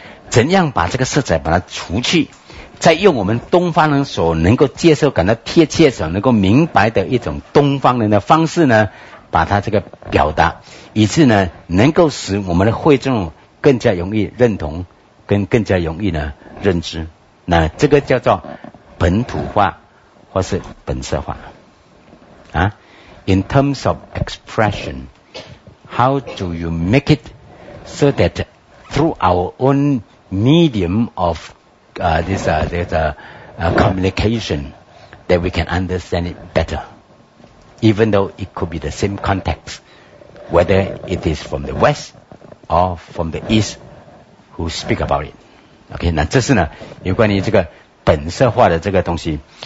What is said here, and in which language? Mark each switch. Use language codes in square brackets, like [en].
[zh] 怎样把这个色彩把它除去，再用我们东方人所能够接受感到贴切所能够明白的一种东方人的方式呢，把它这个表达，以致呢能够使我们的会众更加容易认同跟更加容易呢认知，那这个叫做本土化或是本色化啊。 [en] In terms of expression, how do you make it so that through our own medium of communication that we can understand it better, even though it could be the same context, whether it is from the West or from the East who speak about it. [zh] OK, 那这是呢有关于这个本色化的这个东西。